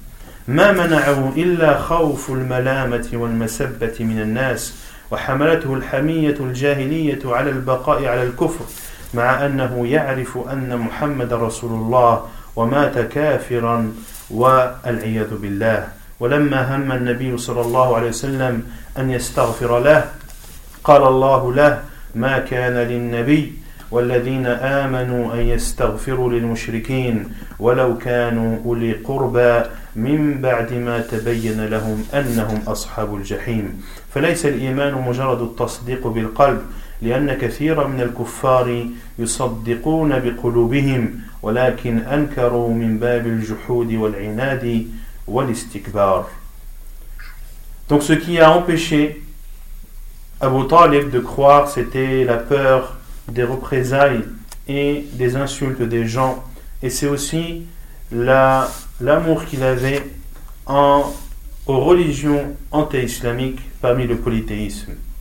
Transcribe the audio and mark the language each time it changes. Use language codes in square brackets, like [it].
[ar] « Ma mana'ahu illa khawfu al-malamati wal-masabbati minan nas wa hamalatuhu al-hamiyyatu al-jahiliyyatu ala al-baqa'i ala al-kufr » مع أنه يعرف أن محمد رسول الله ومات كافرا والعياذ بالله ولما هم النبي صلى الله عليه وسلم أن يستغفر له قال الله له ما كان للنبي والذين آمنوا أن يستغفروا للمشركين ولو كانوا أولي قربى من بعد ما تبين لهم أنهم أصحاب الجحيم. فليس الإيمان مجرد التصديق بالقلب، لأن كثيرا من الكفار يصدقون بقلوبهم ولكن أنكروا من باب الجحود والعناد والاستكبار. [fr] Donc ce qui a empêché Abu Talib de croire, c'était la peur des représailles et des insultes des gens, et c'est aussi l'amour qu'il avait aux religions anti-islamiques parmi le polythéisme.